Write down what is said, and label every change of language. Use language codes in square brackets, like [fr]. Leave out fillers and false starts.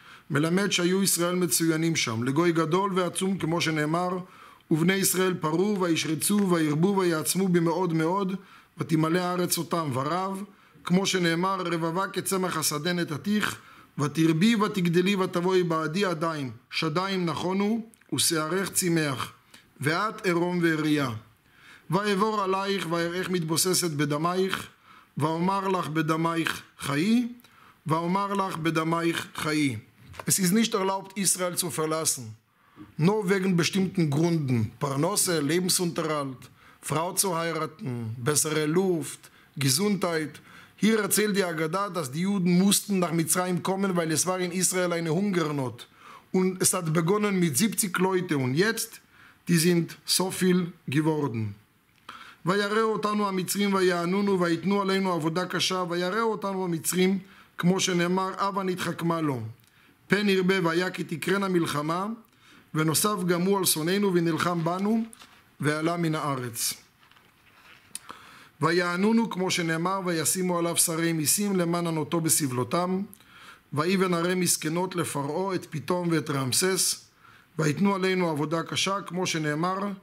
[he] מלמד שהיו ישראל מצוינים שם, לגוי גדול ועצום כמו שנאמר, ובני ישראל פרו וישרצו וירבו ויעצמו במאוד מאוד, ותמלא הארץ אותם ורב, כמו שנאמר, רבבה כצמח השדה נתתיך, ותרבי ותגדלי ותבואי בעדי עדיים, שדיים נכונו ושערך צימח, ואת ערום ועריה. ואעבור עלייך ואראך מתבוססת בדמייך, ואומר לך בדמייך חיי, ואומר לך בדמייך חיי. [de] Es ist nicht erlaubt, Israel zu verlassen. Nur wegen bestimmten Gründen. Parnasse, Lebensunterhalt, Frau zu heiraten, bessere Luft, Gesundheit. Hier erzählt die Agada, dass die Juden mussten nach Mitzrayim kommen, weil es war in Israel eine Hungernot. Und es hat begonnen mit 70 Leuten und jetzt, die sind so viel geworden. [he] Vayare otanu amitzrim vayanunu vayitnu aleinu avoda kasha vayare otanu amitzrim כמו שנאמר, אבא נתחכמה לו. פן ירבה והיה כי תקרן המלחמה, ונוסף גם הוא על שונאינו ונלחם בנו, ועלה מן הארץ. ויענונו כמו שנאמר, וישימו עליו שרי מיסים למען ענותו בסבלותם, ויבן הרי מסכנות לפרעו את פתאום ואת רמסס, ויתנו עלינו עבודה קשה כמו שנאמר,